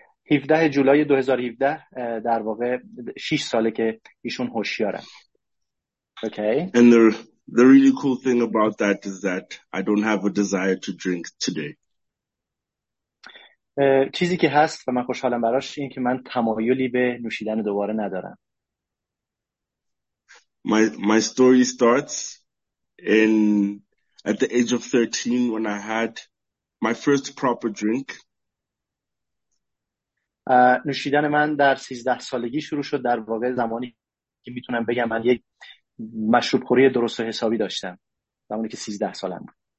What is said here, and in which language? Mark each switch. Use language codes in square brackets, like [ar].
[fa] 17 جولای 2017 در واقع 6 ساله که ایشون هوشیاره. [en] Okay. And the really cool thing about that is that I don't have a desire to drink today. [fa] چیزی که هست و من خوشحالم براش این که من تمایلی به نوشیدن دوباره ندارم. [en] My story starts in at the age of 13 when I had my first proper drink. [fa] نوشیدن من در 13 سالگی شروع شد، در واقع زمانی که میتونم بگم من یک مشروب خوری درست و حسابی داشتم، زمانی که 13 سالم بود.